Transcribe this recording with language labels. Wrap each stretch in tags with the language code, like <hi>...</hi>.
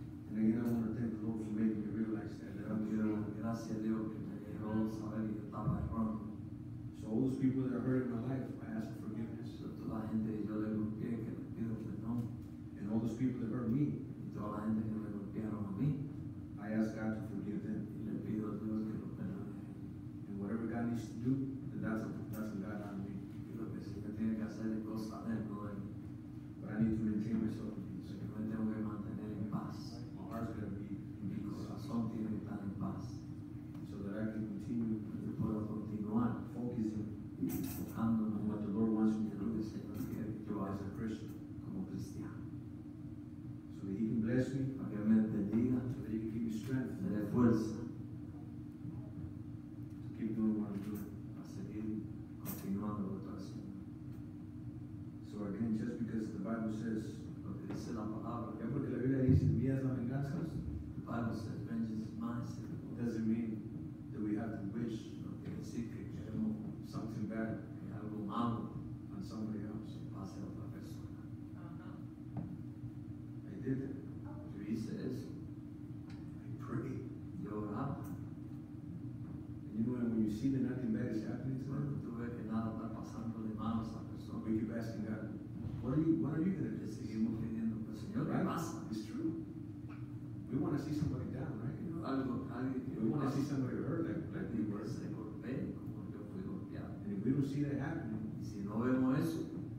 <en>And again, I want to thank the Lord for making me realize that.</en> <es>Gracias a Dios que me dejó saber que estaba errando.</es> <en>So all those people that are hurt in my life, I ask for forgiveness.</en> <es>La gente que yo le golpeé, que le pido perdón.</es> <en>And all those people that hurt me,</en> <es>y toda la gente que me golpearon a mí,</es> <en>I ask God to forgive them.</en> <es>Y le pido a Dios que lo perdone.</es> <en>And whatever God needs to do, that's a God on me.</en> <es>Y lo que sí que tiene que hacer es cosa de él, no de mí.</es> <en>But I need to maintain myself in peace.</en> <es>Porque me tengo que mantener en paz.</es> <en>My heart's gonna be in peace.</en> <es>Mi corazón tiene que estar en paz.</es> <en>So that I can continue.</en> <es>Que pueda continuar.</es> <en>Focusing.</en> <es>Enfocando</es> <en>en what the Lord wants me to do.</en> <es>Yo</es> <en>as a Christian,</en> <es>como cristiano,</es> <en>so that He can bless me,</en> <es>para que me bendiga,</es> <en>so that He can give me strength,</en> <es>me dé fuerza,</es> <en>to keep doing what I'm doing,</en> <es>a seguir continuando lo que estoy haciendo.</es> <en>So again, just because the Bible says,</en> <es>lo que dice la palabra, ya porque la Biblia dice, mía es la venganza,</es> <en>the Bible says, vengeance is mine, doesn't mean that we have to wish,</en> <es>lo que decir que queremos</es> <en>something bad,</en> <es>que algo malo,</es> <en>on somebody else.</en> <es>Pase a otra persona.</es> <en>I did it.</en> <es>Yo hice eso.</es> <en>I pray.</en> <es>Yo oraba.</es> <en>And you know when you see that nothing bad is happening to them?</en> <es>Tú ves que nada está pasando de mano a esa persona.</es> <en>We keep asking God, what are you going to do?</en> <es>Seguimos pidiendo, pues, Señor, ¿qué pasa?</es> <en>It's true. We We want to see somebody down, right? You know,</en> <es>algo, alguien,</es> <en>we want to see somebody hurt, like we were.</en> <es>Se golpee, como yo fui golpeado.</es> <en>And if we don't see that happening,</en> <es>y si no vemos eso,</es>